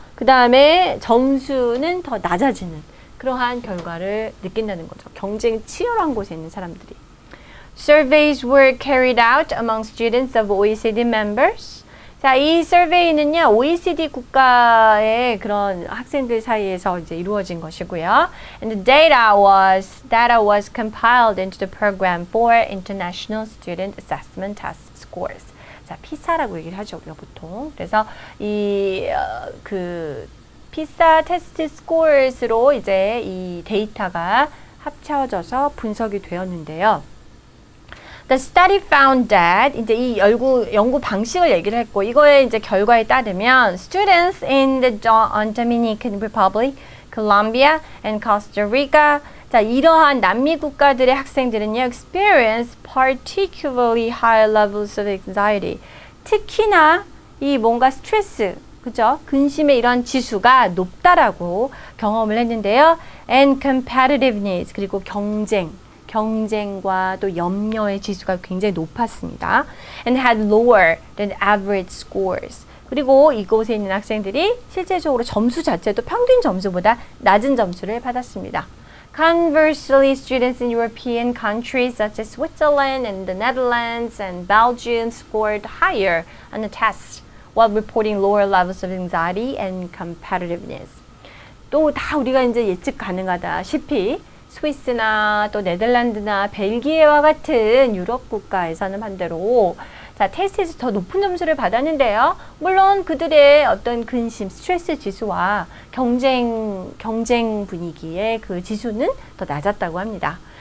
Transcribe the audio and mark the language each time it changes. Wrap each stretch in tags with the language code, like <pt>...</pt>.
<ko>그 다음에 점수는 더 낮아지는 그러한 결과를 느낀다는 거죠. 경쟁이 치열한 곳에 있는 사람들이.</ko> <en>Surveys were carried out among students of OECD members.</en> <ko>자, 이 서베이는요, OECD 국가의 그런 학생들 사이에서 이제 이루어진 것이고요.</ko> <en>And the data was compiled into the program for international student assessment test scores.</en> <ko>자, 피사라고 얘기를 하죠, 우리가 보통. 그래서 이 그 피사 테스트 스코어스로 이제 이 데이터가 합쳐져서 분석이 되었는데요.</ko> <en>The study found that</en> <ko>이제 이 연구 방식을 얘기를 했고 이거의 이제 결과에 따르면</ko> <en>students in the Dominican Republic, Colombia and Costa Rica</en> <ko>자, 이러한 남미 국가들의 학생들은요,</ko> <en>experience particularly high levels of anxiety.</en> <ko>특히나 이 뭔가 스트레스, 그죠? 근심의 이런 지수가 높다라고 경험을 했는데요.</ko> <en>And competitiveness,</en> <ko>그리고 경쟁과 또 염려의 지수가 굉장히 높았습니다.</ko> <en>And had lower than average scores.</en> <ko>그리고 이곳에 있는 학생들이 실제적으로 점수 자체도 평균 점수보다 낮은 점수를 받았습니다.</ko> <en>Conversely, students in European countries such as Switzerland and the Netherlands and Belgium scored higher on the test while reporting lower levels of anxiety and competitiveness.</en> <ko>또 다 우리가 이제 예측 가능하다시피 스위스나 또 네덜란드나 벨기에와 같은 유럽 국가에서는 반대로 자, 테스트에서 더 높은 점수를 받았는데요. 물론 그들의 어떤 근심, 스트레스 지수와 경쟁 분위기의 그 지수는 더 낮았다고 합니다.</ko>